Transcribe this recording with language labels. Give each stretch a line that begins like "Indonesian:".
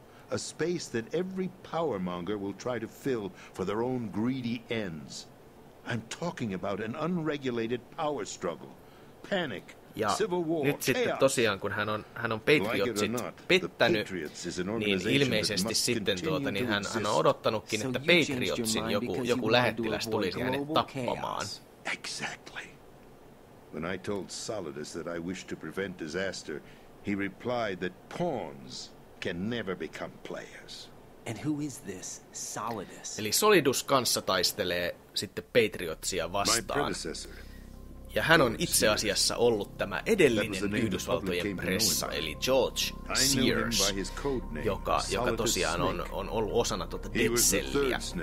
English: A space that every powermonger will try to fill for their own greedy ends. I'm talking about an unregulated power struggle. Panic.
Finnish: Ja nyt sitten tosiaan, kun hän on patriotsit pettänyt, niin ilmeisesti sitten hän on odottanutkin, että patriotsin joku lähettiläs tulisi hänet tappamaan.
English: Exactly. When I told Solidus that I wished to prevent disaster, he replied that pawns can never become players. And who is this Solidus?
Finnish: Eli Solidus kanssa taistelee sitten patriotsia vastaan. Ja hän on itse asiassa ollut tämä edellinen Yhdysvaltojen pressa, eli George Sears, joka tosiaan on ollut osana tuota Dead-selliä.